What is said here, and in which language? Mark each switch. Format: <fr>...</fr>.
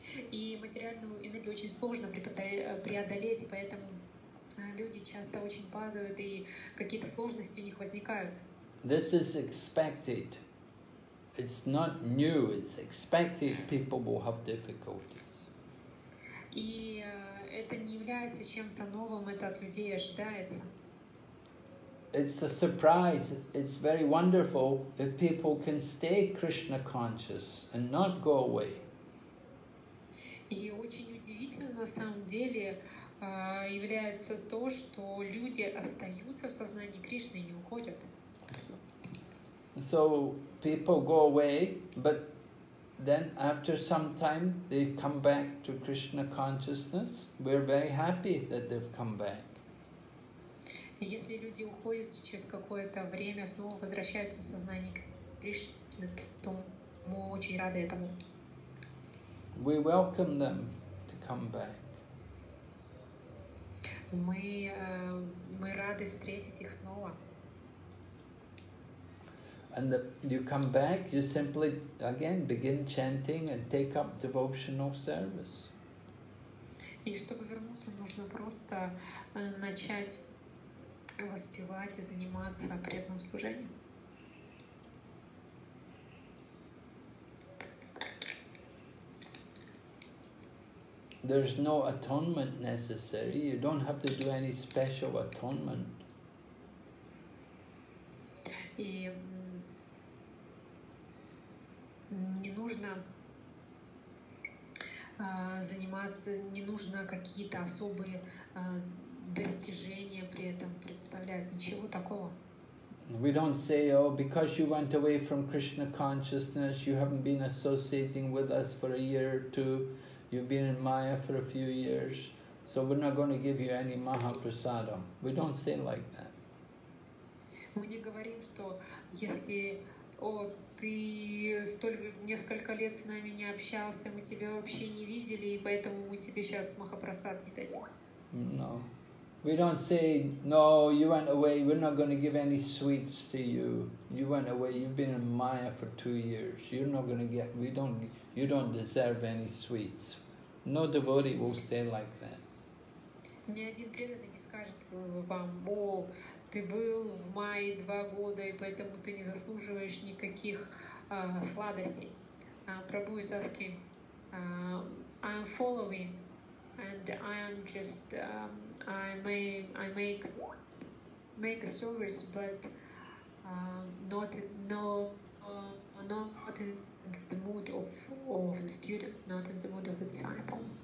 <ru>И материальную энергию очень сложно преодолеть, поэтому люди часто очень падают и какие-то сложности у них возникают.</ru> <en>This is expected. It's not new. It's expected. People will have difficulties.</en> <ru>И это не является чем-то новым, это от людей ожидается.</ru> <en>It's a surprise. It's very wonderful if people can stay Krishna conscious and not go away.</en> <ru>И очень удивительно на самом деле является то, что люди остаются в сознании Кришны и не уходят.</ru> <en>So people go away, but then after some time they come back to Krishna consciousness. We're very happy that they've come back.</en> <ru>Если люди уходят через какое-то время, снова возвращаются в сознание Кришны, то мы очень рады этому.</ru> <en>We welcome them to come back.</en> <ru>Мы рады встретить их снова.</ru> <en>And the, you come back, you simply again begin chanting and take up devotional service.</en> <ru>И чтобы вернуться, нужно просто начать воспевать и заниматься преданным служением.</ru> <en>There's no atonement necessary. You don't have to do any special atonement.</en> <ru>И не нужно заниматься, не нужно какие-то особые достижения при этом представлять, ничего такого.</ru> <en>We don't say, oh, because you went away from Krishna consciousness, you haven't been associating with us for a year or two, you've been in Maya for a few years, so we're not going to give you any Mahaprasada. We don't say like that.</en> <ru>Мы не говорим, что если о, ты столько несколько лет с нами не общался, мы тебя вообще не видели, и поэтому мы тебе сейчас Махапрасад не дадим.</ru> <en>No. We don't say, no, you went away, we're not going to give any sweets to you. You went away, you've been in Maya for 2 years. You're not going to get, we don't, you don't deserve any sweets. No devotee will say like that.</en> <ru>Ни один преданный не скажет вам, о, ты был в Мае 2 года, и поэтому ты не заслуживаешь никаких сладостей.</ru> <en>Прабху is asking, I'm following, and I am just, I make a service, but not in the mood of the student, not in the mood of the disciple.</en>